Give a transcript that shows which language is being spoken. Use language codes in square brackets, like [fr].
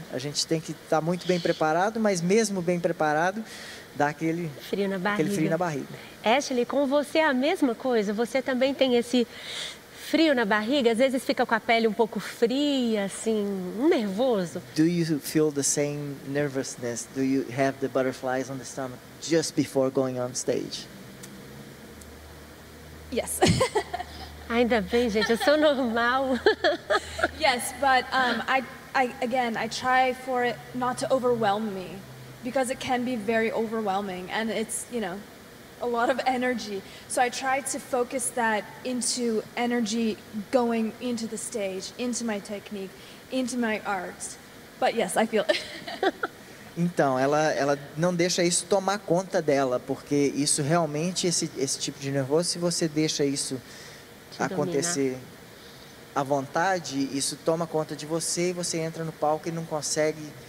[pt] A gente tem que estar muito bem preparado, mas mesmo bem preparado, dá aquele frio na barriga. Ashley, com você é a mesma coisa? Você também tem esse frio na barriga? Às vezes fica com a pele um pouco fria, assim, nervoso? [en] Do you feel the same nervousness? Do you have the butterflies on the stomach just before going on stage? Yes. [pt] Ainda bem, gente, eu sou normal. [en] Yes, but I try for it not to overwhelm me, because it can be very overwhelming and it's, you know, a lot of energy. So I try to focus that into energy going into the stage, into my technique, into my art. But yes, I feel it. [pt] Então, ela não deixa isso tomar conta dela, porque isso realmente, esse tipo de nervoso, se você deixa isso acontecer à vontade, isso toma conta de você e você entra no palco e não consegue...